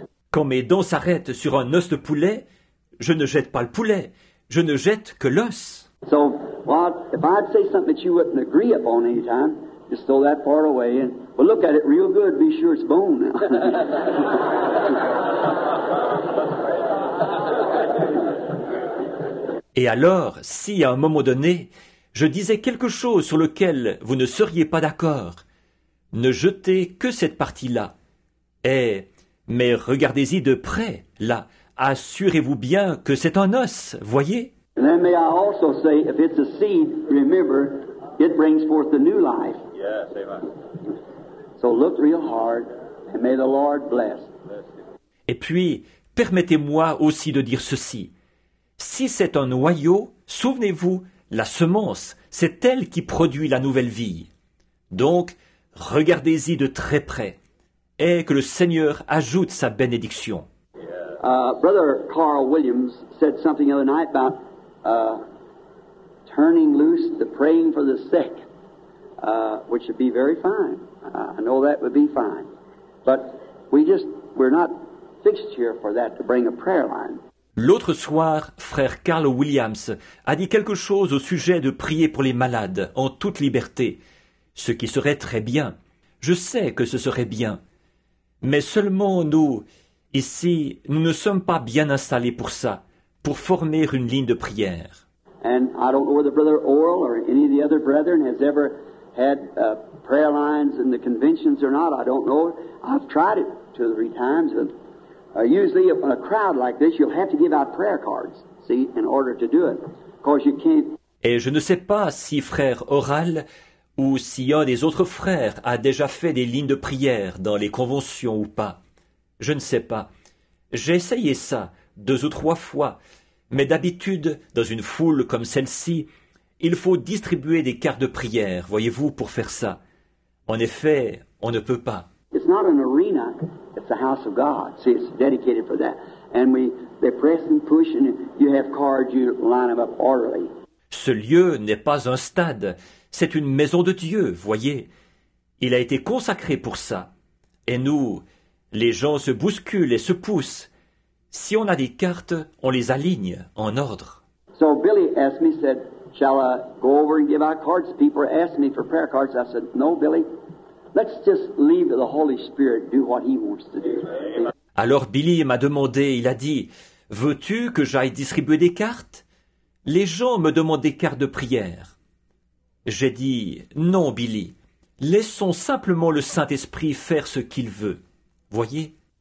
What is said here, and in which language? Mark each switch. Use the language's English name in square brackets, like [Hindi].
[French] Quand mes dents s'arrêtent sur un os de poulet, je ne jette pas le poulet, je ne jette que l'os. [English] So, well, if I'd say something that you wouldn't agree upon any time, just throw that part away and well, look at it real good, be sure it's bone. [French] Et alors, si à un moment donné, je disais quelque chose sur lequel vous ne seriez pas d'accord, ne jetez que cette partie-là. Mais regardez-y de près, là. Assurez-vous bien que c'est un os, voyez. [English] And then may I also say, if it's a seed, remember, it brings forth the new life. Yes, amen. So look real hard, and may the Lord bless. [French] Et puis, permettez-moi aussi de dire ceci. Si c'est un noyau, souvenez-vous, la semence, c'est elle qui produit la nouvelle vie. Donc, regardez-y de très près, et que le Seigneur ajoute sa bénédiction. [English] Brother Carl Williams said something the other night about turning loose the praying for the sick, which would be very fine. I know that would be fine, but we're not fixed here for that to bring a prayer line. [French] L'autre soir, frère Carl Williams a dit quelque chose au sujet de prier pour les malades en toute liberté, ce qui serait très bien. Je sais que ce serait bien. Mais seulement nous, ici, nous ne sommes pas bien installés pour ça, pour former une ligne de prière. [English] And I don't know whether Brother Oral or any of the other brethren has ever had prayer lines in the conventions or not. I don't know. I've tried it 2 or 3 times. Usually, in a crowd like this, you'll have to give out prayer cards, see, in order to do it. Because you can't. [French] Et je ne sais pas si frère Oral ou si un des autres frères a déjà fait des lignes de prière dans les conventions ou pas. Je ne sais pas. J'ai essayé ça 2 ou 3 fois. Mais d'habitude, dans une foule comme celle-ci, Il faut distribuer des cartes de prière, voyez-vous, pour faire ça. En effet, on ne peut pas. [English] It's not an arena, it's the house of God. See, it's dedicated for that. And they press and push and you have cards, you line them up orderly. [French] Ce lieu n'est pas un stade, c'est une maison de Dieu, voyez. Il a été consacré pour ça. Et nous, les gens se bousculent et se poussent. Si on a des cartes, on les aligne en ordre. [English] So Billy asked me, said, shall I go over and give out cards? People asked me for prayer cards. I said, no, Billy. Let's just leave the Holy Spirit do what he wants to do. [French] Alors Billy m'a demandé, il a dit, veux-tu que j'aille distribuer des cartes? Les gens me demandent des cartes de prière. J'ai dit, non, Billy. Laissons simplement le Saint-Esprit faire ce qu'il veut. Voyez?